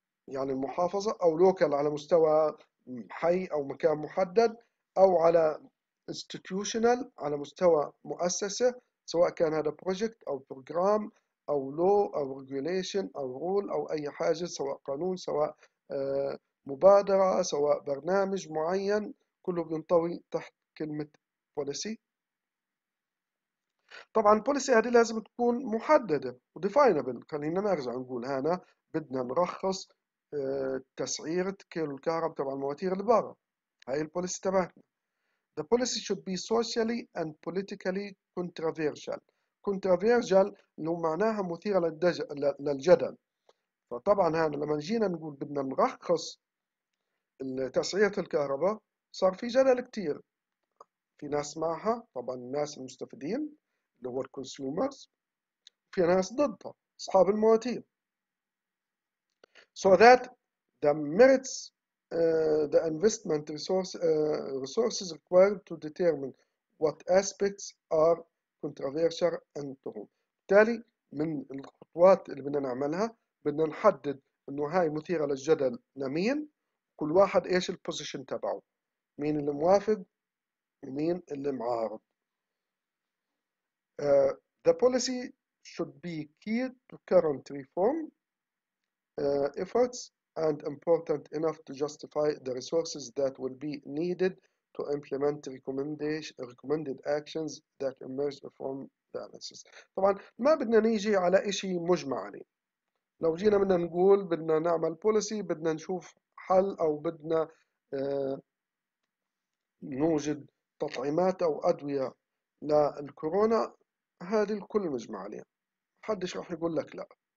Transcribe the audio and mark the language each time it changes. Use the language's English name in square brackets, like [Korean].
[Arabic] يعني المحافظة أو لوكال على مستوى حي أو مكان محدد، أو على institutional على مستوى مؤسسة، سواء كان هذا project أو program أو law أو regulation أو rule أو أي حاجة، سواء قانون سواء مبادرة سواء برنامج معين، كله بينطوي تحت كلمة policy. طبعا البوليسي هذه لازم تكون محددة وديفاينبل. خلينا نرجع نقول هنا بدنا نرخص تسعيرة كيلو الكهرباء تبع المواتير اللي برا، هاي البوليسي تبعتنا. [English] The policy should be socially and politically controversial. [Arabic] Controversial اللي هو معناها مثيرة للجدل. فطبعا هنا لما جينا نقول بدنا نرخص تسعيرة الكهرباء صار في جدل كتير. في ناس معها، طبعا الناس المستفيدين اللي هو الكونسيومرز، في ناس ضدها أصحاب المواتير. [English] So that the merits the investment resources required to determine what aspects are controversial and true. [Arabic] بالتالي من الخطوات اللي بدنا نعملها بدنا نحدد انه هاي مثيرة للجدل لمين، كل واحد ايش البوزيشن تبعه، مين اللي موافق ومين اللي معارض. [English] The policy should be key to current reform efforts and important enough to justify the resources that will be needed to implement recommended actions that emerge from the analysis. [Arabic] طبعا ما بدنا نيجي على شيء مجمع عليه. لو جينا بدنا نقول بدنا نعمل policy، بدنا نشوف حل، او بدنا نوجد تطعيمات او ادويه للكورونا، هذه الكل مجمع عليها، محدش راح يقول لك لا.